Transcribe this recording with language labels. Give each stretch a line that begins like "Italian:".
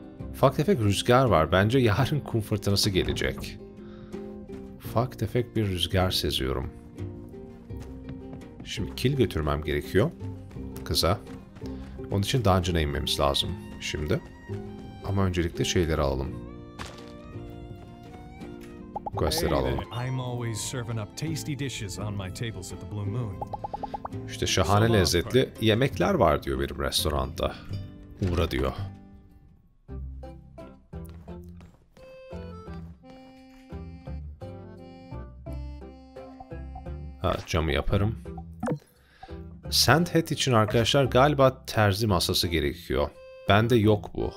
Turkish: Ufak tefek rüzgar var. Bence yarın kum fırtınası gelecek. Ufak tefek bir rüzgar seziyorum. Şimdi kil götürmem gerekiyor kıza. Onun için dungeon'a inmemiz lazım şimdi. Ama öncelikle şeyleri alalım. Questleri alalım.
English: I'm always serving up tasty dishes on my tables at the Blue Moon.
Turkish: İşte şahane lezzetli yemekler var diyor benim restoranda. Uğra diyor. Ha, camı yaparım. Sandhead için arkadaşlar galiba terzi masası gerekiyor. Bende yok bu.